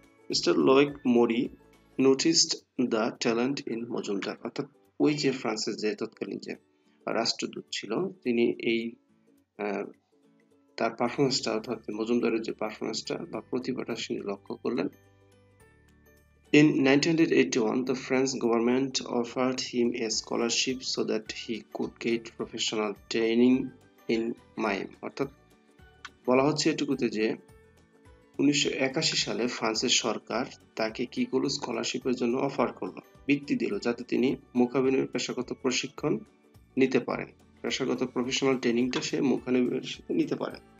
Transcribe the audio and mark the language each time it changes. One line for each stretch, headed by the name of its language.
English: mister Loic Mori noticed the talent in Majumdar,
Bangla: অর্থাৎ ওই যে ফ্রান্সের যে তৎকালীন যে রাষ্ট্রদূত ছিল, তিনি এই তার পারফরমেন্সটা, অর্থাৎ মজুমদারের যে পারফরমেন্সটা বা প্রতিভাটা তিনি লক্ষ্য করলেন।
English: In 1981, the French government offered him a scholarship so that he could get professional training in mime.
Bangla: অর্থাৎ বলা হচ্ছে এটুকুতে যে 1981 সালে ফ্রান্সের সরকার তাকে কি করলো, স্কলারশিপের জন্য অফার করলো, বৃত্তি দিল, যাতে তিনি মুখানিবের পেশাগত প্রশিক্ষণ নিতে পারেন, পেশাগত প্রফেশনাল ট্রেনিংটা সে মুখানিবের সাথে নিতে পারে।